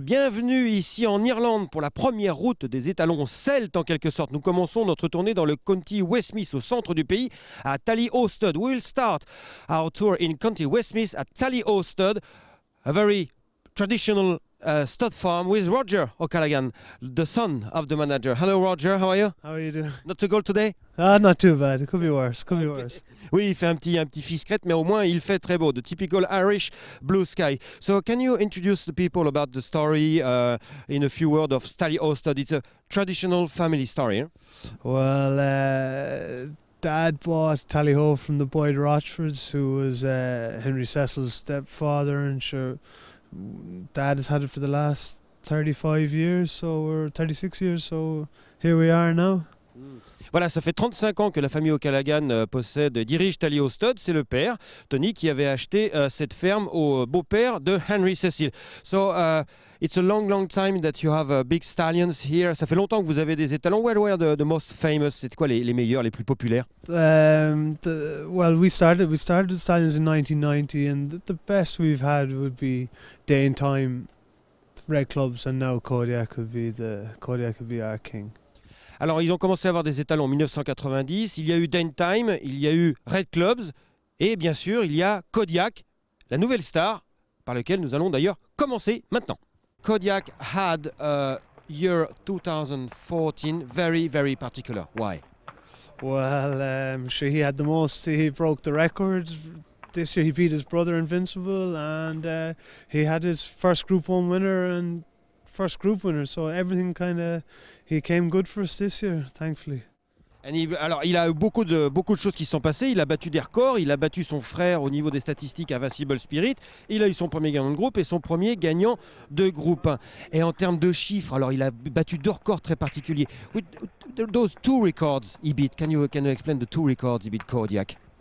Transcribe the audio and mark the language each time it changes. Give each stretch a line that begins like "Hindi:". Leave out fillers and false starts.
French: Bienvenue ici en Irlande pour la première route des étalons celtes en quelque sorte. Nous commençons notre tournée dans le County Westmeath au centre du pays à Tallyhawstead.
English: We'll start our tour in County Westmeath at Tallyhawstead, a very traditional stud farm with Roger O'Callaghan, the son of the manager. Hello Roger, how are you? How are you doing? Not too cold today? Not too bad, it could be worse, could be worse.
French: Oui, il fait un petit fisquette, mais au moins il fait très beau,
English: the typical Irish blue sky. So can you introduce the people about the story in a few words of Tallyhawstead? It's a traditional family story. Eh? Well, Dad bought Tallyhaw from the Boyd Rochfords, who was Henry Cecil's stepfather, and sure, Dad has had it for the last 35 years, so we're 36 years, so here we are now.
French: Voilà, ça fait 35 ans que la famille O'Callaghan possède et dirige Tallyhawstead. C'est le père, Tony, qui avait acheté cette ferme au beau-père de Henry Cecil.
English: So, it's a long, long time that you have big stallions here.
French: Ça fait longtemps que vous avez des étalons.
English: Where were the most famous?
French: C'est quoi les meilleurs, les plus populaires?
English: We started the stallions in 1990, and the best we've had would be Dane Time, Red Clubs, and now Kodiak would be our king.
French: Alors, ils ont commencé à avoir des étalons en 1990, il y a eu Dane Time, il y a eu Red Clubs, et bien sûr, il y a Kodiak, la nouvelle star, par laquelle nous allons d'ailleurs commencer maintenant.
English: Kodiak had a year 2014 very, very particular. Why? Well, I'm sure he had the most, he broke the record. This year he beat his brother Invincible, and he had his first Group 1 winner, and first group winner, so everything kind of he came good for us this year, thankfully. And he,
French: alors il a eu beaucoup de choses qui sont passées. Il a battu des records, il a battu son frère au niveau des statistiques Invincible Spirit. Il a eu son premier gagnant de groupe et son premier gagnant de groupe 1. Et en termes de chiffres, alors il a battu deux records très particuliers.
English: Those two records he beat. Can you explain the two records he beat Kodiak?